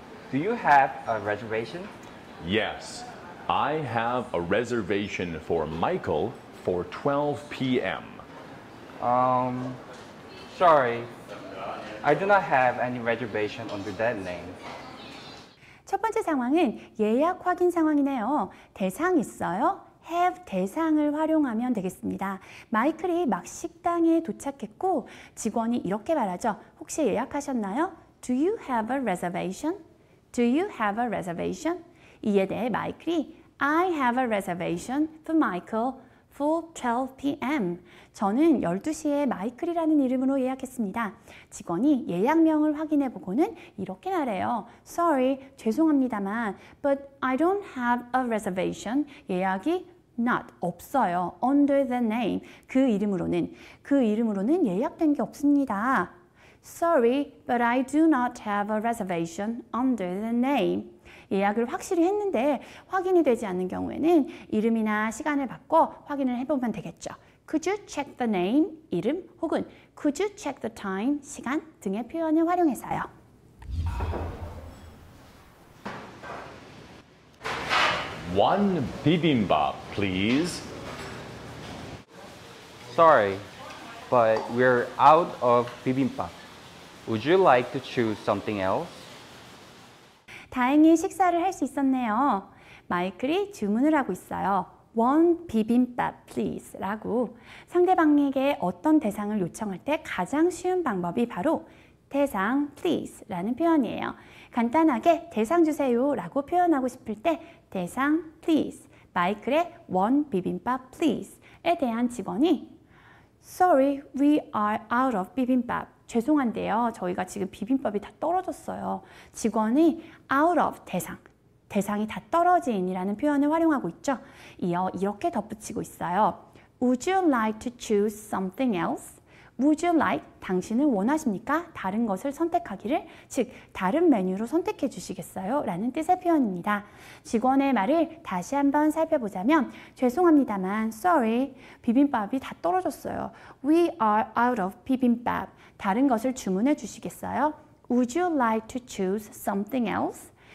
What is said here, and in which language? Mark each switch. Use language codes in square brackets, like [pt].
[en] Do you have a reservation? Yes, I have a reservation for Michael for 12 p.m. Sorry, I do not have any reservation under that name. [ko] 첫 번째 상황은 예약 확인 상황이네요. 대상 있어요? have 대상을 활용하면 되겠습니다. 마이클이 막 식당에 도착했고 직원이 이렇게 말하죠. 혹시 예약하셨나요? [en] Do you have a reservation? Do you have a reservation? [ko] 이에 대해 마이클이 [en] I have a reservation for Michael for 12 p.m. [ko] 저는 12시에 마이클이라는 이름으로 예약했습니다. 직원이 예약명을 확인해 보고는 이렇게 말해요. [en] Sorry, [ko] 죄송합니다만 [en] but I don't have a reservation. [ko] 예약이 not, 없어요. [en] Under the name, [ko] 그 이름으로는 예약된 게 없습니다. [en] Sorry, but I do not have a reservation under the name. [ko] 예약을 확실히 했는데 확인이 되지 않는 경우에는 이름이나 시간을 바꿔 확인을 해보면 되겠죠. [en] Could you check the name, [ko] 이름, 혹은 [en] Could you check the time, [ko] 시간 등의 표현을 활용해서요. [en] One bibimbap, please. Sorry, but we're out of bibimbap. Would you like to choose something else? [ko] 다행히 식사를 할 수 있었네요. 마이클이 주문을 하고 있어요. [en] One bibimbap, please. [ko] 라고 상대방에게 어떤 대상을 요청할 때 가장 쉬운 방법이 바로 대상, please. 라는 표현이에요. 간단하게 대상 주세요. 라고 표현하고 싶을 때 대상, please. 마이클의 [en] One bibimbap, please. [ko] 에 대한 직원이 [en] Sorry, we are out of bibimbap. [ko] 죄송한데요. 저희가 지금 비빔밥이 다 떨어졌어요. 직원이 [en] out of [ko] 대상, 대상이 다 떨어진이라는 표현을 활용하고 있죠. 이어 이렇게 덧붙이고 있어요. [en] Would you like to choose something else? Would you like, [ko] 당신은 원하십니까? 다른 것을 선택하기를, 즉 다른 메뉴로 선택해 주시겠어요? 라는 뜻의 표현입니다. 직원의 말을 다시 한번 살펴보자면 죄송합니다만, sorry, 비빔밥이 다 떨어졌어요. [en] We are out of bibimbap. [ko] 다른 것을 주문해 주시겠어요? [en] Would you like to choose something else?